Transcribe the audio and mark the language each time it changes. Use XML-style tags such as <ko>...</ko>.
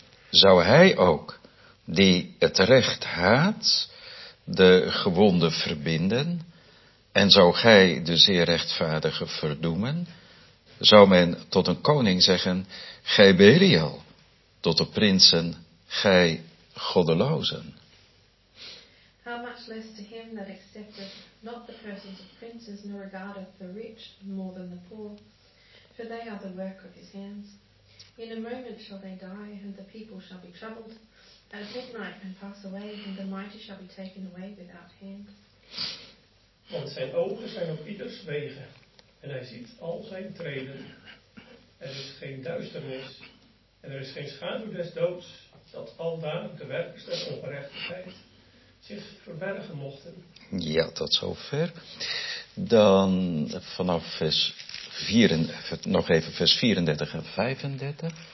<nl>Zou hij ook, die het recht haat, de gewonden verbinden? En zou gij de zeer rechtvaardige verdoemen? Zou men tot een koning zeggen, gij Belial, tot de prinsen, gij goddelozen.</nl> <en>How much less to him that accepteth not the presence of princes, nor regardeth the rich more than the poor, for they are the work of his hands. In a moment shall they die, and the people shall be troubled, at midnight and pass away, and the mighty shall be taken away without hand.</en> <nl>Want zijn ogen zijn op ieders wegen. En hij ziet al zijn treden. Er is geen duisternis. En er is geen schaduw des doods. Dat al daar de werkers der ongerechtigheid zich verbergen mochten. Ja, tot zover. Dan vanaf vers 34, nog even vers 34 en 35.</nl>